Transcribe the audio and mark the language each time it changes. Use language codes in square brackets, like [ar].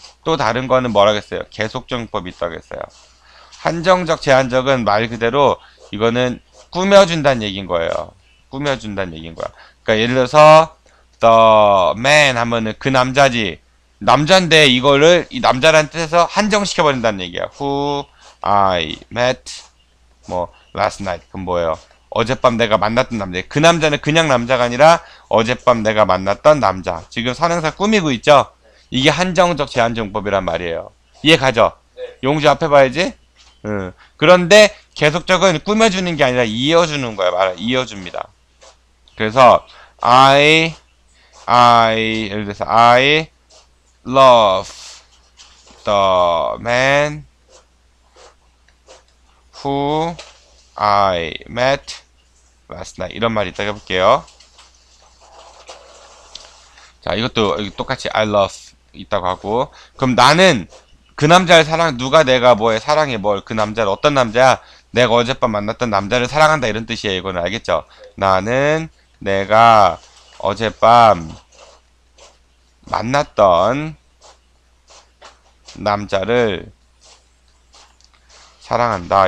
[ko] 또 다른 거는 뭐라고 했어요? 계속적 용법이 있다 했어요. 한정적, 제한적은 말 그대로 이거는 꾸며준다는 얘기인 거예요. 꾸며준다는 얘기인 거야. 그러니까 예를 들어서 [en] the man [ko] 하면은 그 남자지. 남잔데 이거를 이 남자라는 뜻에서 한정시켜버린다는 얘기야. [en] Who I met [ko] 뭐 [en] last night [ko] 그 뭐예요? 어젯밤 내가 만났던 남자. 그 남자는 그냥 남자가 아니라 어젯밤 내가 만났던 남자. 지금 선행사 꾸미고 있죠? 이게 한정적 제한적 용법이란 말이에요. 이해 가죠? 용주 앞에 봐야지. 그런데 계속적은 꾸며주는 게 아니라 이어주는 거야. 말 이어줍니다. 그래서 [en] I [ko] 예를 들어서 [en] I love the man who I met last night. [ko] 이런 말 이따가 볼게요. 자, 이것도 똑같이 [en] I love [ko] 있다고 하고. 그럼 나는 그 남자를 사랑, 누가 내가 뭐에 사랑해, 뭘, 그 남자를, 어떤 남자야? 내가 어젯밤 만났던 남자를 사랑한다. 이런 뜻이에요. 이거는 알겠죠? 나는 내가 어젯밤 만났던 남자를 사랑한다.